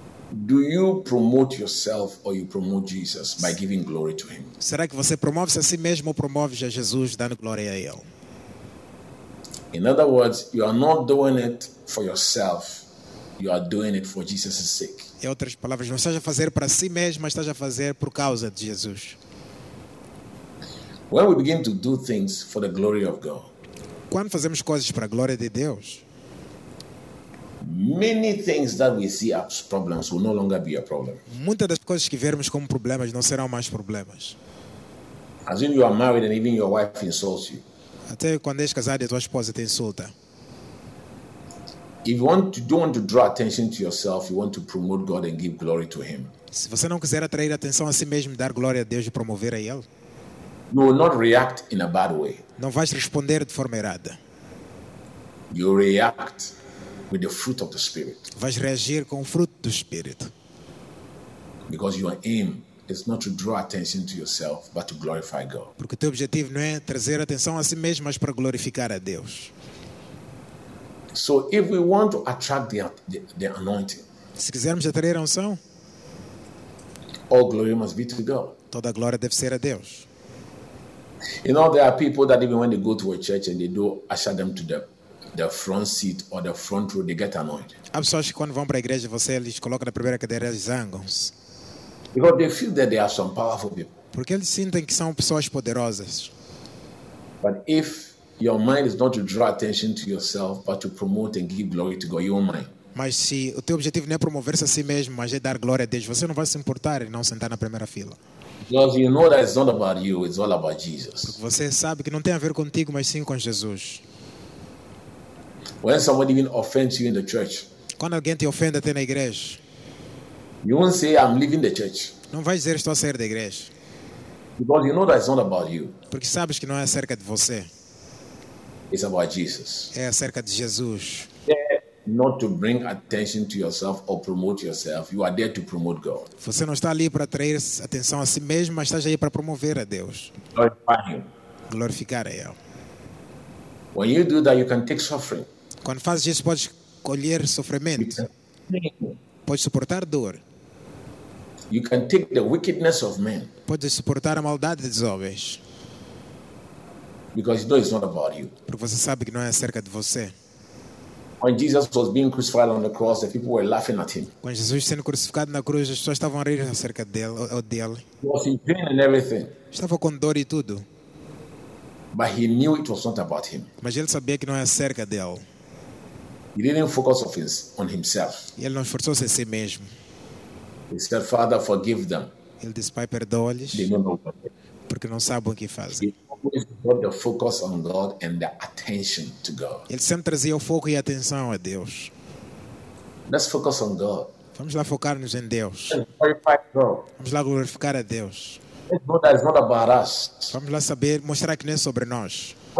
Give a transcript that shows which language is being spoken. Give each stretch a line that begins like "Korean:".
English: Do you promote yourself or you promote Jesus by giving glory to him?
Portuguese: Será que você promove-se a si mesmo ou promove a Jesus dando glória a ele?
English: In other words, you are not doing it for yourself. You are doing it for Jesus' sake.
Portuguese: Em outras palavras, não estás a fazer para si mesmo, mas estás a fazer por causa de Jesus.
English: When we begin to do things for the glory of God,
Portuguese: quando fazemos coisas para a glória de Deus,
English: many things that we see as problems will no longer be a problem.
Portuguese: Muitas das coisas que vermos como problemas não serão mais problemas.
English: As in you are married and even your wife insults you.
Portuguese: Até quando és casado e tua esposa te insulta.
English: If you want to, don't want to draw attention to yourself, you want to promote God and give glory to him.
Portuguese: Se você não quiser atrair atenção a si mesmo, dar glória a Deus e promover a ele,
English: you will not react in a bad way.
Portuguese: Não vais responder de forma errada.
English: You react with the fruit of the Spirit.
Portuguese: Vais reagir com o fruto do Espírito.
English: Because your aim is not to draw attention to yourself, but to glorify God.
Portuguese: Porque o teu objetivo não é trazer atenção a si mesmo, mas para glorificar a Deus.
English: So if we want to attract the anointing,
Portuguese: se quisermos atrair a unção,
English: all glory must be to God.
Portuguese: Toda a glória deve ser a Deus.
English: You know, there are people that even when they go to a church and they do usher them to the front seat or the front row, they get annoyed.
Portuguese: Há pessoas que quando vão para a igreja, você lhes coloca na primeira cadeira, eles zangam.
English: Because they feel that they are some powerful people.
Portuguese: Porque eles sentem que são pessoas poderosas.
English: But if your mind is not to draw attention to yourself, but to promote and give glory to God, your mind.
Portuguese: Mas se o teu objetivo não é promover-se a si mesmo, mas é dar glória a Deus, você não vai se importar em não sentar na primeira fila.
English: Because you know that it's not about you, it's all about Jesus.
Portuguese: Porque você sabe que não tem a ver contigo, mas sim com Jesus.
English: When somebody even offends you in the church,
Portuguese: quando alguém te ofende até na igreja,
English: you won't say, I'm leaving the church.
Portuguese: Não vais dizer, estou a sair da igreja.
English: Because you know that it's not about you.
Portuguese: Porque sabes que não é acerca de você.
English: It's about Jesus.
Portuguese: É acerca de Jesus.
English: Not to bring attention to yourself or promote yourself. You are there to promote God.
Portuguese: Você não está ali para atrair atenção a si mesmo, mas está aí para promover a Deus.
English: Glorify him.
Portuguese: Glorificar a ele.
English: When you do that, you can take suffering.
Portuguese: Quando fazes isso, podes colher sofrimento. Podes suportar dor.
English: You can take the wickedness of men.
Portuguese: Podes suportar a maldade dos homens.
English: Because you know it's not about you.
Portuguese: Porque você sabe que não é acerca de você.
English: When Jesus was being crucified on the cross, the people were laughing at him.
Portuguese: Quando Jesus sendo crucificado na cruz, as pessoas estavam a rir acerca dele.
English: He was in pain and everything.
Portuguese: Estava com dor e tudo.
English: But he knew it was not about him.
Portuguese: Mas ele sabia que não era acerca dele.
English: He didn't focus on himself.
Portuguese: Ele não esforçou-se em si mesmo.
English: He said, "Father, forgive them."
Portuguese: Ele disse, Pai, perdoa-lhes.
English: They don't know what they do.
Portuguese: Porque não sabem o que fazem.
English: The focus on God and the attention to God.
Portuguese: Ele sempre trazia o foco e a atenção a Deus.
English: Let's focus on God.
Portuguese: Vamos lá focar-nos em Deus. Vamos lá glorificar a Deus.
English: It's not about us.
Portuguese: Vamos lá saber, mostrar que não é sobre nós.